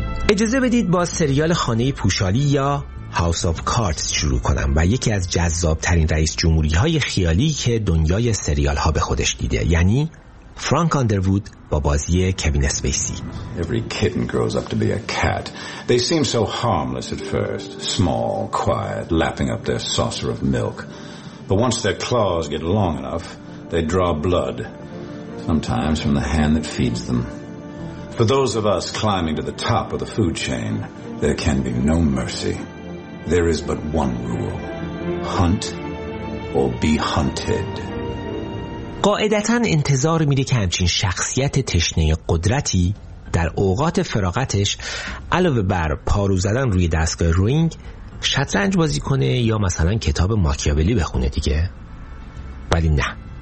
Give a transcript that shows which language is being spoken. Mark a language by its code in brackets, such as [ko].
[fa] اجازه بدید با سریال خانه پوشالی یا House of Cards شروع کنم و یکی از جذابترین رئیس جمهوری های خیالی که دنیای سریال ها به خودش دیده، یعنی فرانک آندروود با بازی کوین اسپیسی. [en] Every kitten grows up to be a cat. They seem so harmless at first, small, quiet, lapping up their saucer of milk. But once their claws get long enough, they draw blood, sometimes from the hand that feeds them. For those of us climbing to the top of the food chain, there can be no mercy. There is but one rule: hunt or be hunted. [fa] قاعدتاً انتظار میده که همچین شخصیت تشنه قدرتی در اوقات فراغتش علاوه بر پارو زدن روی دستگاه روینگ، شطرنج بازی کنه یا مثلا کتاب ماکیاولی بخونه دیگه. ولی نه.